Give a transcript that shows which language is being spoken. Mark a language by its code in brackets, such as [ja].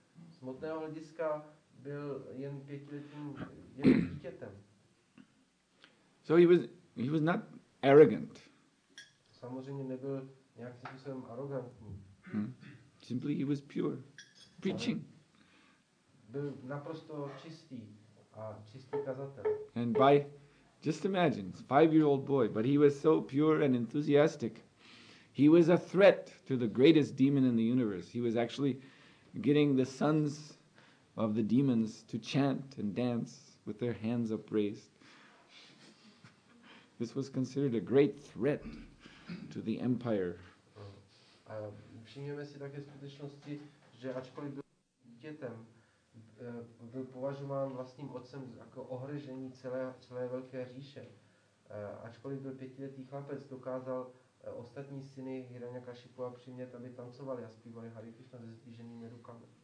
[cs] Z hmotného hlediska byl jen 5letým dítětem. [en] So he was not arrogant. [cs] Samozřejmě nebyl nějakým způsobem arrogantní. [en] Simply he was pure preaching. [cs] Byl naprosto čistý a čistý kazatel. [en] And by just imagine, 5-year-old boy, but he was so pure and enthusiastic. He was a threat to the greatest demon in the universe. He was actually getting the sons of the demons to chant and dance with their hands upraised. This was considered a great threat to the empire. [cs] Všimněme si také skutečnosti, že ačkoliv byl dítětem, byl považován vlastním otcem jako ohrožení celé velké říše. Ačkoliv byl 5letý chlapec, dokázal ostatní syny Hiranyakashipu a přimět, aby tancovali a zpívali Hare Krishna se zdviženými rukami.